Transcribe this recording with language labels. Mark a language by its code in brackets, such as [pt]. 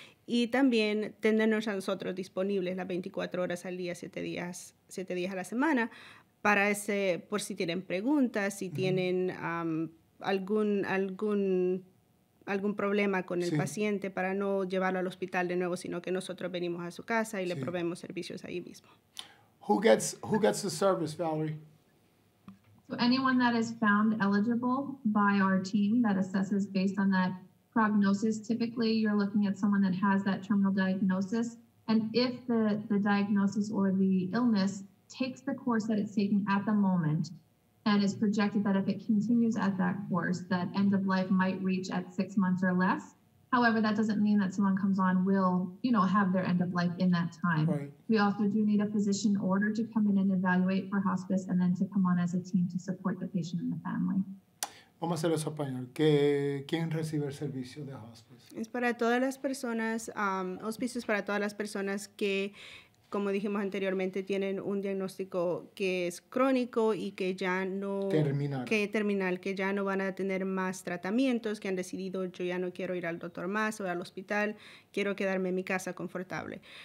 [es] y también tenernos a nosotros disponibles las 24 horas al día, 7 días a la semana, para ese, por si tienen preguntas, si tienen algún problema con el paciente, para no llevarlo al hospital de nuevo, sino que nosotros venimos a su casa y le proveemos servicios ahí mismo. [en] Who gets the service, Valerie? So anyone that is found eligible by our team that assesses based on that prognosis, typically you're looking at someone that has that terminal diagnosis. And if the diagnosis or the illness takes the course that it's taking at the moment and is projected that if it continues at that course, that end of life might reach at 6 months or less. However, that doesn't mean that someone comes on will, you know, have their end of life in that time. Right. We also do need a physician order to come in and evaluate for hospice and then to come on as a team to support the patient and the family. [es] Vamos a hacer eso español. ¿Quién recibe el servicio de hospice? Es para todas las personas, hospice es para todas las personas que, como dijimos anteriormente, tienen un diagnóstico que es crónico y que ya no... Terminal, que ya no van a tener más tratamientos, que han decidido, yo ya no quiero ir al doctor más o al hospital, quiero quedarme en mi casa confortable.